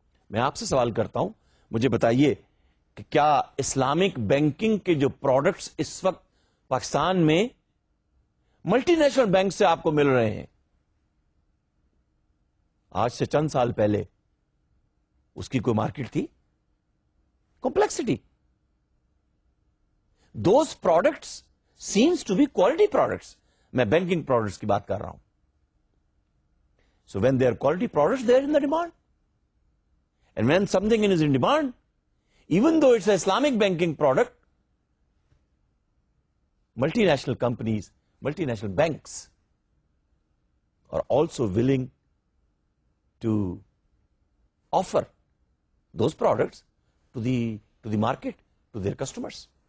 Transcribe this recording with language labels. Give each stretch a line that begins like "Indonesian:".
Urdu: میں آپ سے سوال کرتا ہوں, مجھے بتائیے کہ کیا اسلامک بینکنگ کے جو پروڈکٹس اس وقت پاکستان میں ملٹی نیشنل بینک سے آپ کو مل رہے ہیں؟ آج سے چند سال پہلے اس کی کوئی مارکیٹ تھی؟
English: Complexity, those products sense to be quality products.
Urdu: میں بینکنگ پروڈکٹس کی بات کر رہا ہوں.
English: So when they are quality products they're in the demand. And when something is in demand, even though it's an Islamic banking product, multinational companies, multinational banks are also willing to offer those products to the market, to their customers.